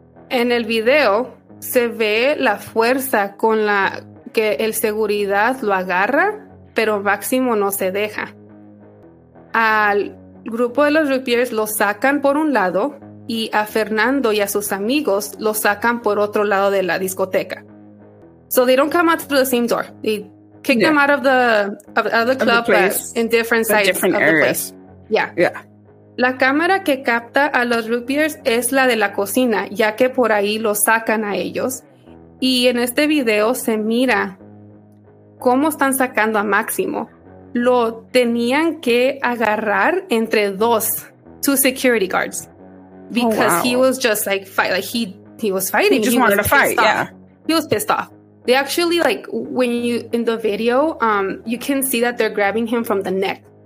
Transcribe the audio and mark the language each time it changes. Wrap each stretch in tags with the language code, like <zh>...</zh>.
<es>En el video se ve la fuerza con la que el seguridad lo agarra, pero Máximo no se deja. Al grupo de los rugbyers lo sacan por un lado y a Fernando y a sus amigos lo sacan por otro lado de la discoteca.</es> <en>So they don't come out through the same door. They kick them out of the club, of the place, but in different sides, different of areas. The place. Yeah. Yeah.</en> <es>La cámara que capta a los rugbyers es la de la cocina, ya que por ahí lo sacan a ellos. Y en este video se mira cómo están sacando a Máximo. Lo tenían que agarrar entre dos,</es> <en>two security guards. Because oh, wow. He was just like, fight. Like he was fighting. He wanted to fight, off. Yeah. He was pissed off. They actually, like, when you, in the video, you can see that they're grabbing him from the neck.</en>